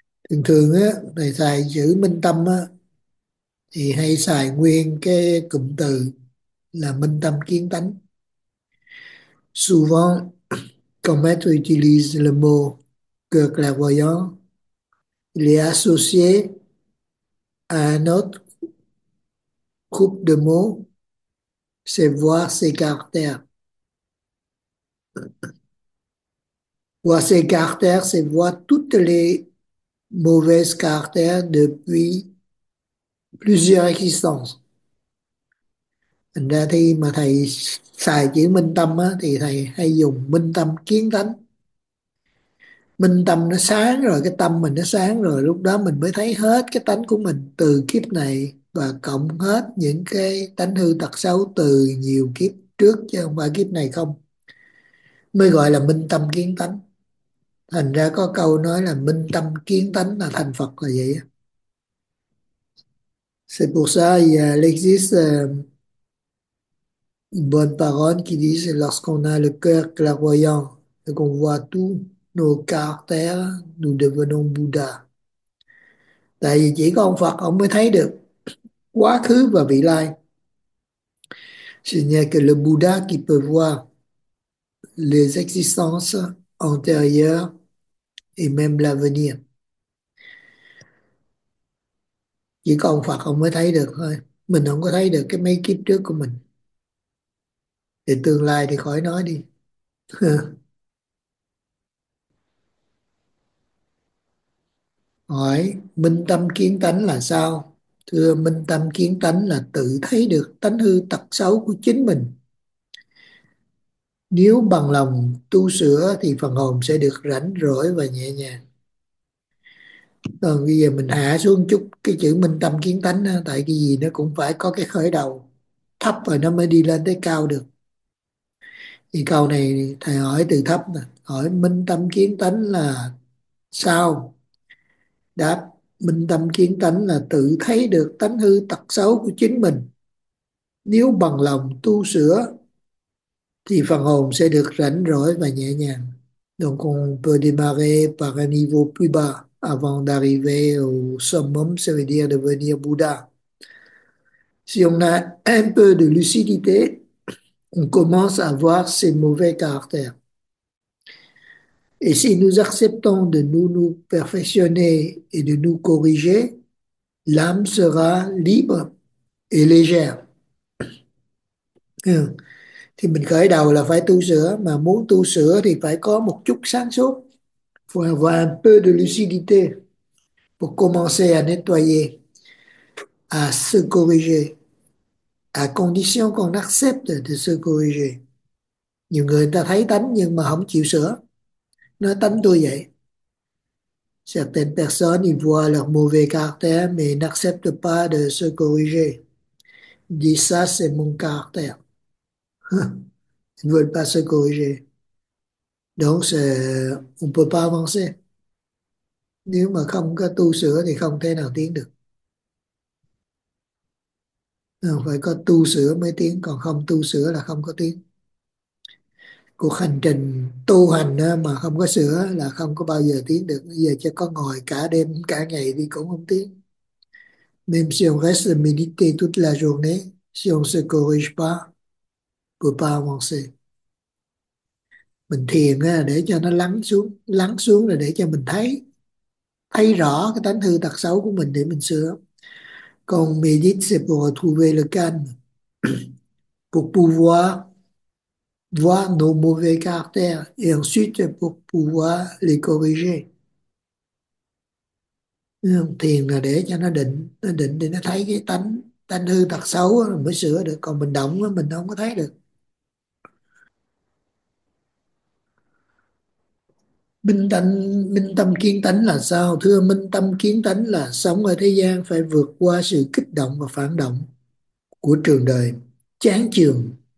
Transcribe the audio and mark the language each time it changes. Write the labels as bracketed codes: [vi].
[vi] Thường thường á, thầy xài chữ minh tâm á, thì hay xài nguyên cái cụm từ là minh tâm kiến tánh. [fr] Souvent, quand maître utilise le mot cœur clairvoyant, il est associé à un autre groupe de mots, c'est voir ses caractères. Voir ses caractères, c'est voir toutes les mauvaises caractères depuis plusieurs existences. [vi] Thành ra thì mà thầy xài chữ minh tâm á, thì thầy hay dùng minh tâm kiến tánh. Minh tâm nó sáng rồi, cái tâm mình nó sáng rồi, lúc đó mình mới thấy hết cái tánh của mình từ kiếp này và cộng hết những cái tánh hư tật xấu từ nhiều kiếp trước chứ không phải kiếp này không. Mới gọi là minh tâm kiến tánh. Thành ra có câu nói là minh tâm kiến tánh là thành Phật là vậy. [fr] C'est pour ça il existe une bonne parole qui dit lorsqu'on a le cœur clairvoyant et qu'on voit tous nos caractères, nous devenons Bouddha. [vi] Tại vì chỉ có ông Phật ông mới thấy được quá khứ và vị lai. [fr] C'est-à-dire que le Bouddha qui peut voir les existences antérieures et même l'avenir. [vi] Chỉ có ông Phật ông mới thấy được thôi. Mình không có thấy được cái mấy kiếp trước của mình. Thì tương lai thì khỏi nói đi. Hỏi minh tâm kiến tánh là sao? Thưa, minh tâm kiến tánh là tự thấy được tánh hư tật xấu của chính mình. Nếu bằng lòng tu sửa thì phần hồn sẽ được rảnh rỗi và nhẹ nhàng. Còn bây giờ mình hạ xuống chút cái chữ minh tâm kiến tánh, tại cái gì nó cũng phải có cái khởi đầu thấp rồi nó mới đi lên tới cao được. Thì câu này thầy hỏi từ thấp nè, hỏi minh tâm kiến tánh là sao? Đáp, minh tâm kiến tánh là tự thấy được tánh hư tật xấu của chính mình. Nếu bằng lòng tu sửa thì phần hồn sẽ được rảnh rỗi và nhẹ nhàng. [fr] Donc on peut démarrer par un niveau plus bas avant d'arriver au summum, ça veut dire devenir Bouddha. Si on a un peu de lucidité, on commence à voir ses mauvais caractères. Et si nous acceptons de nous perfectionner et de nous corriger, l'âme sera libre et légère. [vi] Thì mình khởi đầu là phải tu sửa, mà muốn tu sửa thì phải có một chút sáng suốt, phải [fr] avoir un peu de lucidité pour commencer à nettoyer, à se corriger, [vi] à condition qu'on accepte de se corriger. Nhiều người ta thấy tánh nhưng mà không chịu sửa, nói tánh tôi vậy. [fr] Certaines personnes y voient leur mauvais caractère mais n'acceptent pas de se corriger. Dit ça, c'est mon caractère. Ils ne veulent pas se corriger. Donc, on ne peut pas avancer. [vi] Nếu mà không có tu sửa thì không thể nào tiến được. Nào, phải có tu sửa mới tiến, còn không tu sửa là không có tiến. Cuộc hành trình tu hành mà không có sửa là không có bao giờ tiến được. Bây giờ chắc có ngồi cả đêm, cả ngày thì cũng không tiến. [fr] Même si on reste méditer toute la journée, si on se corrige pas, peut pas avancer. [vi] Mình thiền để cho nó lắng xuống là để cho mình thấy thấy rõ cái tánh hư tật xấu của mình để mình sửa. [fr] Còn méditer, c'est pour trouver le calme, pour pouvoir voir nos mauvais caractères et ensuite pour pouvoir les corriger. [vi] Thiền là để cho nó định để nó thấy cái tánh tánh hư tật xấu đó, mới sửa được. Còn mình động đó, mình không có thấy được. Minh tâm kiến tánh là sao? Thưa, minh tâm kiến tánh là sống ở thế gian phải vượt qua sự kích động và phản động của trường đời, chán chường,